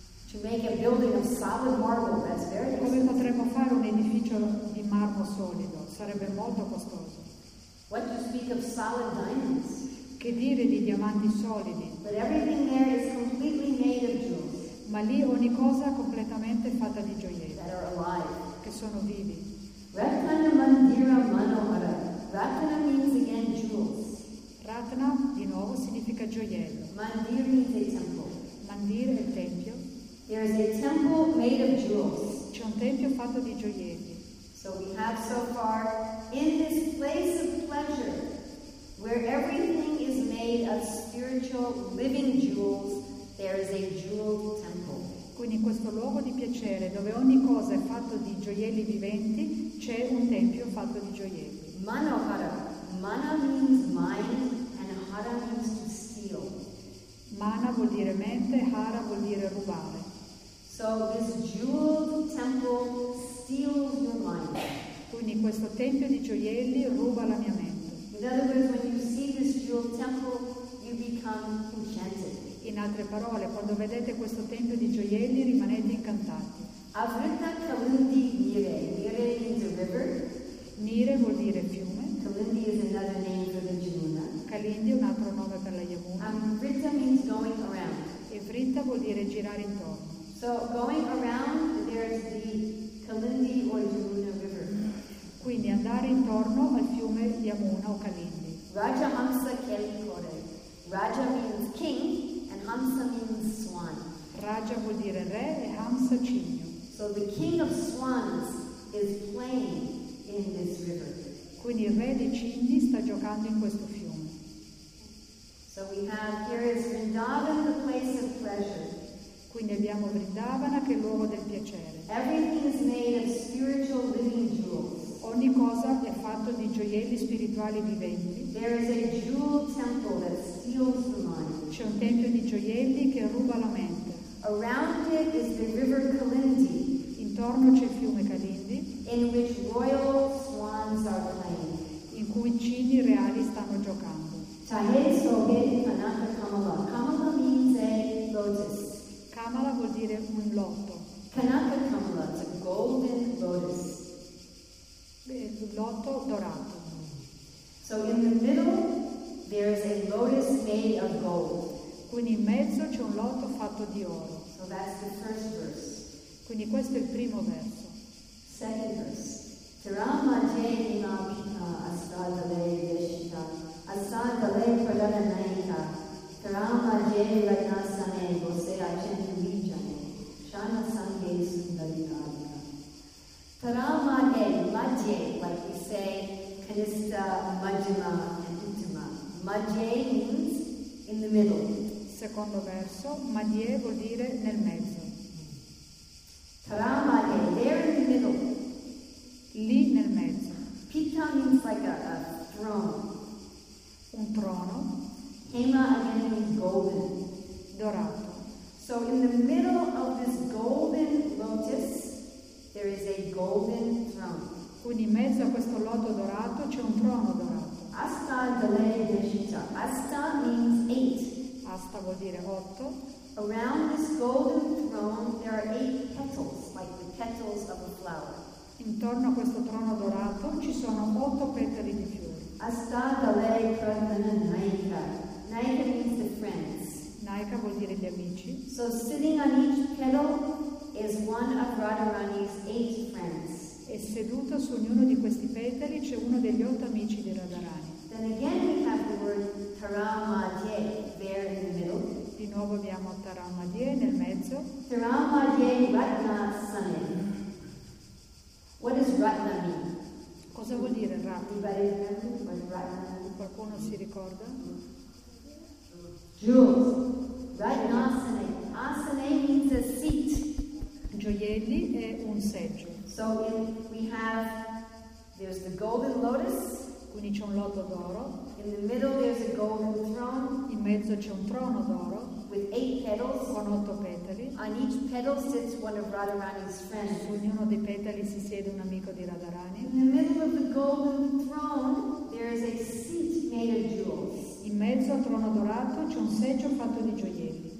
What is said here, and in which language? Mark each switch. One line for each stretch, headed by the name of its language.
English: to make a building of solid marble, that's very expensive.
Italian: Come potremmo fare un edificio di marmo solido? Sarebbe molto costoso.
English: What do you speak of solid diamonds?
Italian: Che dire di diamanti solidi?
English: But everything there is completely made of jewels.
Italian: Ma lì ogni cosa è completamente fatta di gioielli.
English: That are alive.
Italian: Che sono vivi.
Sanskrit: Ratna mandira manohara.
English: Ratna means again jewels.
Italian: Ratna di nuovo significa gioiello.
English: Mandir means a temple.
Italian: Mandir è tempio.
English: There is a temple made of jewels.
Italian: C'è un tempio fatto di gioielli.
English: So we have so far in this place of pleasure, where everything is made of spiritual living jewels, there is a jewel temple.
Italian: Quindi in questo luogo di piacere, dove ogni cosa è fatto di gioielli viventi, c'è un tempio fatto di gioielli.
Sanskrit: Manohara.
English: Mana means mind and hara means to steal.
Italian: Mana vuol dire mente, hara vuol dire rubare.
English: So this jewel temple steals your mind.
Italian: Quindi questo tempio di gioielli ruba la mia mente.
English: In other words, when you see this jewel temple, you become enchanted.
Italian: In altre parole, quando vedete questo tempio di gioielli, rimanete incantati.
Sanskrit: Avrita Kalundi Nire.
English: Nire means a river.
Italian: Nire vuol dire fiume.
English: Kalundi is another name for the Yamuna.
Italian: Kalindi è un altro nome per la Yamuna.
English: Avrita means going around.
Italian: E Vritta vuol dire girare intorno.
English: So going around, there is the Kalundi or Yamuna River.
Italian: Quindi andare intorno al fiume Yamuna o Kalindi.
Sanskrit: Raja Hamsa Keli Kore.
English: Raja means king and Hamsa means swan.
Italian: Raja vuol dire re e Hamsa cigno.
English: So the king of swans is playing in this river.
Italian: Quindi il re dei cigni sta giocando in questo fiume.
English: So we have here is Vrindavan, the place of pleasure.
Italian: Quindi abbiamo Vrindavana, che è il luogo del piacere.
English: Everything is made of spiritual living jewels.
Italian: Ogni cosa è fatto di gioielli spirituali viventi.
English: There is a jewel temple that steals the mind.
Italian: C'è un tempio di gioielli che ruba la mente.
English: Around it is the river Kalindi.
Italian: Intorno c'è il fiume Kalindi.
English: In which royal swans are playing.
Italian: In cui cigni reali stanno giocando.
English: Kamala means a lotus.
Italian: Kamala vuol dire un lotto.
English: Kanaka Kamala is a golden lotus.
Italian: Lotto dorato.
English: So in the middle there is a lotus made of gold.
Italian: Quindi in mezzo c'è un lotto fatto di oro.
English: So that's the first verse.
Italian: Quindi questo è il primo verso.
English: Second verse.
Sanskrit: Tirama jai ma pita asada le deshita asada le pradana naika tirama jai lakna sane gose achintu vijane shana sange sundarika.
English: Taramane Majje, like we say, Kanista, Majjima, and Uttama. Majje means in the middle.
Italian: Secondo verso, Majje vuol dire nel mezzo.
English: Taramane, there in the middle.
Italian: Lì nel mezzo.
English: Pitta means like a throne.
Italian: Un trono.
English: Hema again means golden.
Italian: Dorato.
English: So in the middle of this golden lotus, there is a golden throne.
Italian: Quindi in mezzo a questo loto dorato c'è un trono dorato.
Sanskrit: Asta dalle deshita.
English: Asta means eight.
Italian: Asta vuol dire otto.
English: Around this golden throne there are eight petals, like the petals of a flower.
Italian: Intorno a questo trono dorato ci sono otto petali di fiori.
Sanskrit: Asta dalle pradana naika.
English: Naika means the friends.
Italian: Naika vuol dire gli amici.
English: So sitting on each petal is one of Radharani's eight friends.
Italian: E seduto su ognuno di questi petali c'è uno degli otto amici di Radharani.
English: Then again we have the word Taramadye there in the middle.
Italian: Di nuovo abbiamo Taramadye nel mezzo.
Sanskrit: Taramadye Ratna Sane.
English: What does Ratna mean?
Italian: Cosa vuol dire Ratna?
English: Anybody remember what Ratna means?
Italian: Qualcuno si ricorda?
English: Jewels. Ratna Sane. Asane means a seat.
Italian: Gioielli e un seggio.
English: So in, we have there's the golden lotus.
Italian: Quindi c'è un loto d'oro.
English: In the middle there's a golden throne.
Italian: In mezzo c'è un trono d'oro.
English: With eight petals.
Italian: Con otto petali.
English: On each petal sits one of Radharani's friends.
Italian: Su ognuno dei petali si siede un amico di Radharani.
English: In the middle of the golden throne there is a seat made of jewels.
Italian: In mezzo al trono dorato c'è un seggio fatto di gioielli.